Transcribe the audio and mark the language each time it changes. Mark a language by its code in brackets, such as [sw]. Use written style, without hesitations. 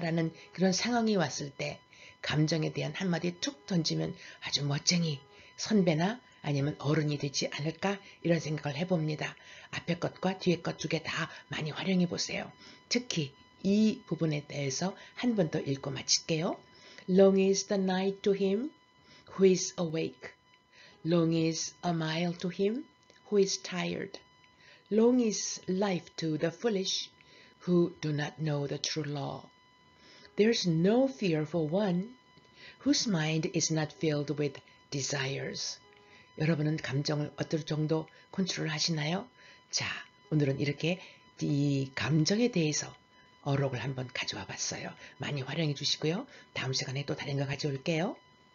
[ko] 라는 그런 상황이 왔을 때 감정에 대한 한마디 툭 던지면 아주 멋쟁이 선배나 아니면 어른이 되지 않을까 이런 생각을 해봅니다. 앞에 것과 뒤에 것 두 개 다 많이 활용해 보세요. 특히 이 부분에 대해서 한 번 더 읽고 마칠게요. [en] Long is the night to him who is awake. Long is a mile to him who is tired. Long is life to the foolish who do not know the true law. There's no fear for one whose mind is not filled with desires. [ko] 여러분은 감정을 어떨 정도 컨트롤 하시나요? 자, 오늘은 이렇게 이 감정에 대해서 어록을 한번 가져와 봤어요. 많이 활용해 주시고요. 다음 시간에 또 다른 거 가져올게요.